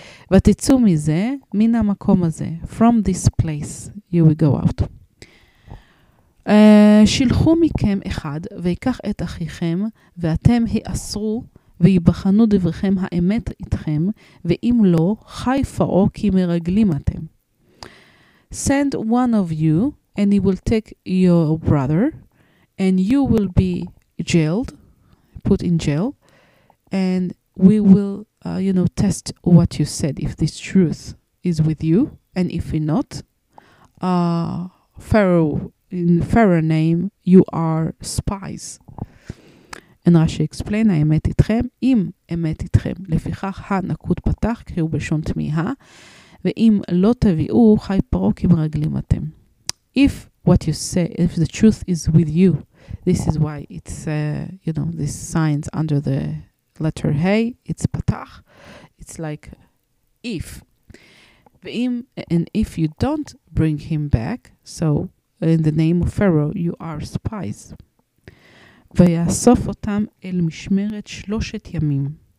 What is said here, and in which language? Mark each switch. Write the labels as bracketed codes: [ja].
[he] ותצאו מזה, מן המקום הזה, [en] from this place, you will go out. [he] שלחו מכם אחד ויקח את אחיכם ואתם האסרו ויבחנו דבריכם האמת איתכם ואם לא חי פרעה כי מרגלים אתם. [en] Send one of you and he will take your brother and you will be jailed, put in jail, and we will test what you said, if this truth is with you, and if not, Pharaoh name, you are spies. And Rashi explained, [he] האמת איתכם, אם אמת איתכם, לפיכך הנקוד פתח, קריאו בשון תמיהה, ואם לא תביאו, חי פרעה כי מרגלים אתם. [en] If what you say, if the truth is with you, this is why it's, this signs under the letter hey, it's פתח, it's like if. And if you don't bring him back, so in the name of Pharaoh, you are spies. [he] ויאסוף אותם אל משמרת שלושת ימים.